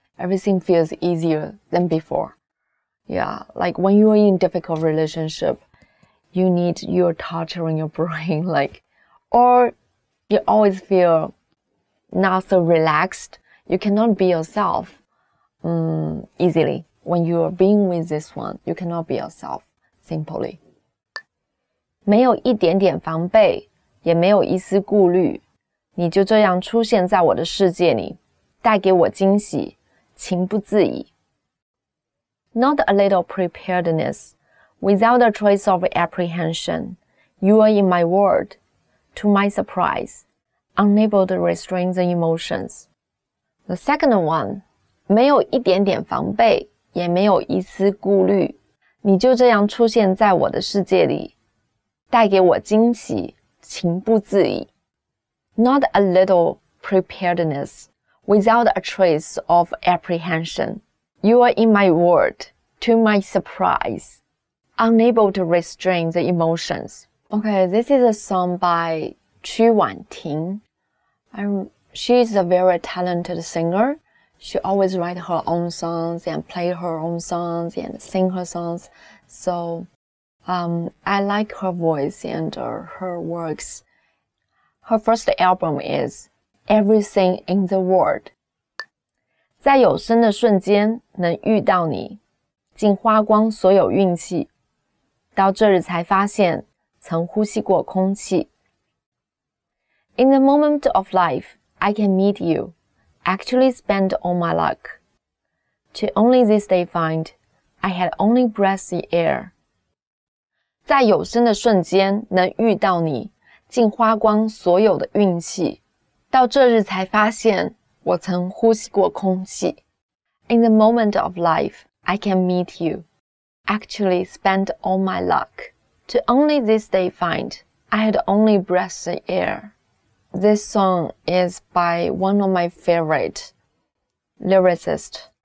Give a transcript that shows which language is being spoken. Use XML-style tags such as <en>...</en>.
<en>Everything feels easier than before. Yeah, like when you are in difficult relationship, you need your torturing your brain, like, or you always feel not so relaxed. You cannot be yourself. Easily. When you are being with this one, you cannot be yourself, simply.</en> <zh>没有一点点防备，也没有一丝顾虑，你就这样出现在我的世界里，带给我惊喜，情不自已。</zh> <en>Not a little preparedness, without a trace of apprehension, you are in my world, to my surprise, unable to restrain the emotions. The second one, 没有一点点防备，也没有一丝顾虑，你就这样出现在我的世界里，带给我惊喜，情不自已。 Not a little preparedness, without a trace of apprehension. You are in my world, to my surprise, unable to restrain the emotions. Okay, this is a song by Qu Wanting. She is a very talented singer. She always write her own songs and play her own songs and sing her songs. So, I like her voice and her works. Her first album is Everything in the World.</en> <zh>在有生的瞬间能遇到你，竟花光所有运气，到这日才发现曾呼吸过空气。</zh> <en>In the moment of life, I can meet you. Actually spend all my luck. To only this day find, I had only breathed the air.</en> <zh>在有生的瞬间能遇到你，竟花光所有的运气，到这日才发现我曾呼吸过空气。</zh> <en>In the moment of life, I can meet you. Actually spend all my luck. To only this day find, I had only breathed the air. This song is by one of my favorite lyricists.</en>